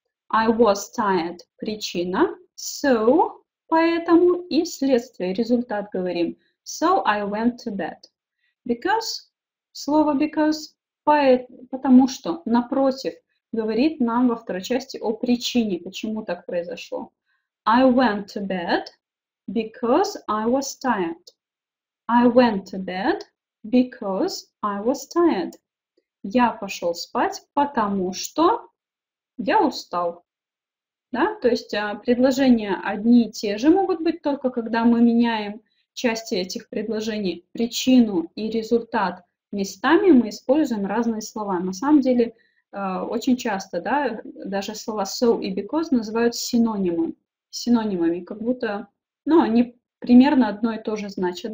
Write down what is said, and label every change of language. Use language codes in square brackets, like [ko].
[en] I was tired [ru] – причина, so – поэтому и следствие, результат говорим. [en] So I went to bed. [ru] Because – слово because – потому что, напротив, говорит нам во второй части о причине, почему так произошло. [en] I went to bed because I was tired. I went to bed because I was tired. [ru] Я пошел спать, потому что я устал. Да? То есть предложения одни и те же могут быть, только когда мы меняем части этих предложений, причину и результат. Местами мы используем разные слова. На самом деле, очень часто, да, даже слова so и because называют синонимами, как будто, ну, они примерно одно и то же значат.